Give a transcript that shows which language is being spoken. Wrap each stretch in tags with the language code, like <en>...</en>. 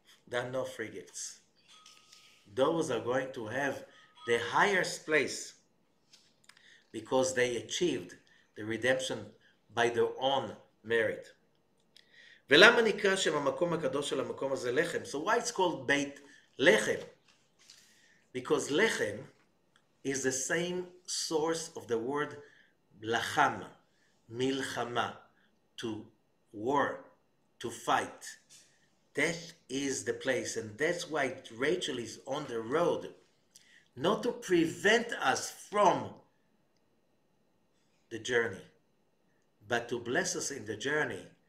<en>There are no free gifts. Those are going to have the highest place because they achieved the redemption by their own merit.</en> <he>ולמה נקרא שם המקום הקדוש של המקום הזה לחם?</he> <en>So why it's called בית לחם? Because לחם is the same source of the word לחם, מלחמה, to war, to fight. That is the place, and that's why Rachel is on the road, not to prevent us from the journey, but to bless us in the journey.</en>